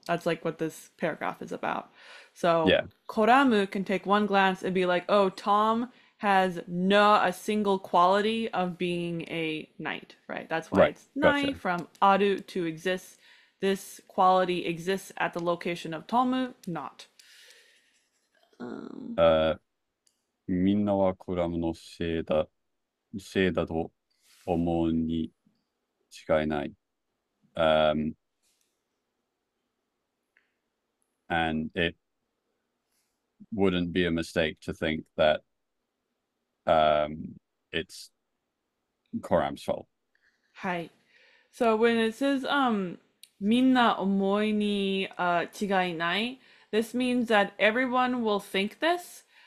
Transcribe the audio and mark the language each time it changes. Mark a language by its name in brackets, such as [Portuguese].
[English] That's like what this paragraph is about. So koramu can take one glance and be like, oh, Tom has not a single quality of being a knight, right? That's why it's nai from aru to exist. This quality exists at the location of Tomu, not. [Japanese] みんなはコラムのせいだと思うに違いない。 [English] And it wouldn't be a mistake to think that it's Coram's fault. [Japanese] はい。 [English] So when it says, [Japanese] みんな思いに違いない、 [English] this means that everyone will think this.